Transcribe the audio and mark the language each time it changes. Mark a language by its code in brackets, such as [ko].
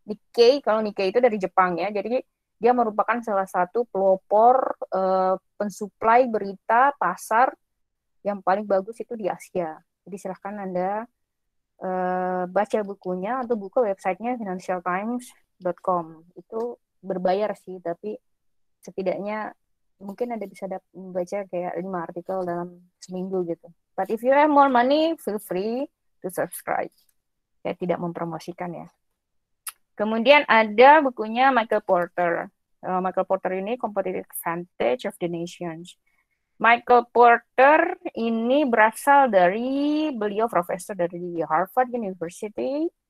[id] Nikkei, kalau Nikkei itu dari Jepang ya, jadi dia merupakan salah satu pelopor pensuplai berita pasar yang paling bagus itu di Asia. Jadi silahkan Anda baca bukunya atau buka websitenya financialtimes.com. Itu berbayar sih, tapi setidaknya mungkin Anda bisa baca kayak 5 artikel dalam seminggu gitu. [en] But if you have more money, feel free to subscribe. [id] Saya tidak mempromosikan ya. Kemudian ada bukunya Michael Porter. Michael Porter ini Competitive Advantage of the Nations. Michael Porter ini berasal dari, beliau profesor dari Harvard University.